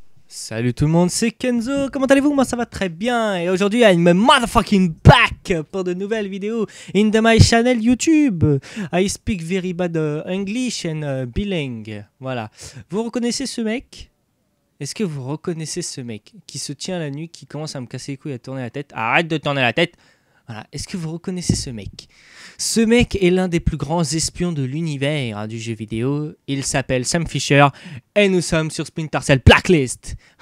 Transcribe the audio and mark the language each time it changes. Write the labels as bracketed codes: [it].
[fr] Salut tout le monde, c'est Kenzo, comment allez-vous? Moi ça va très bien et aujourd'hui [en] I'm motherfucking back [fr] pour de nouvelles vidéos [en] in the my channel YouTube. I speak very bad English and bilingue. [fr] Voilà. Vous reconnaissez ce mec? Est-ce que vous reconnaissez ce mec qui se tient la nuit, qui commence à me casser les couilles, à tourner la tête? Arrête de tourner la tête! Voilà. Est-ce que vous reconnaissez ce mec? Ce mec est l'un des plus grands espions de l'univers du jeu vidéo. Il s'appelle Sam Fisher et nous sommes sur Splinter Cell Blacklist.